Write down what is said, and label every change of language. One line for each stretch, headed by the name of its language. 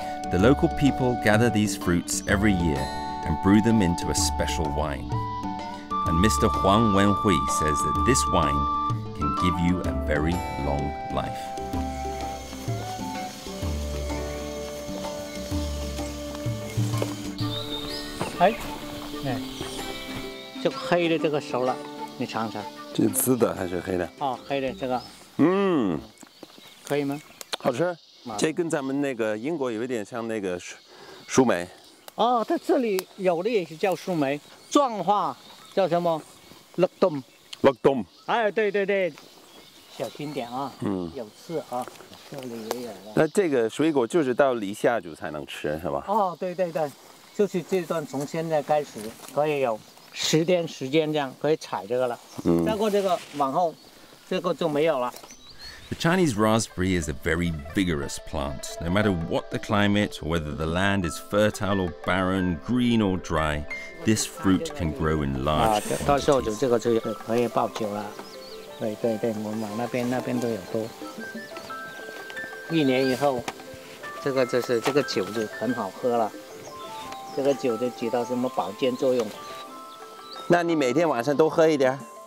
English: The local people gather these fruits every year and brew them into a special wine. And Mr. Huang Wenhui says that this wine can give you a very long life. Hey, yeah.
Chinese: 这个黑的这个熟了，你尝尝。这紫的还是黑的？哦，黑的这个。嗯，可以吗？好吃。这跟咱们那个英国有一点像那个树莓。哦，它这里有的也是叫树莓，壮化叫什么？冷冻。乐东。哎，对对对，小心点啊。嗯，有刺啊，这里也有。那这个水果就是到立夏就才能吃是吧？哦，对对对，就是这段从现在开始可以有十天时间这样可以采这个了。嗯，再过这个往后，这个就没有了。
English: The Chinese raspberry is a very vigorous plant. No matter what the climate, whether the land is fertile or barren, green or dry, this fruit can grow in large quantities.
Chinese: 到时候就这个就可以爆酒了。对对对，我们那边都有多。一年以后，这个酒就很好喝了。这个酒就起到什么保健作用？那你每天晚上都喝一点？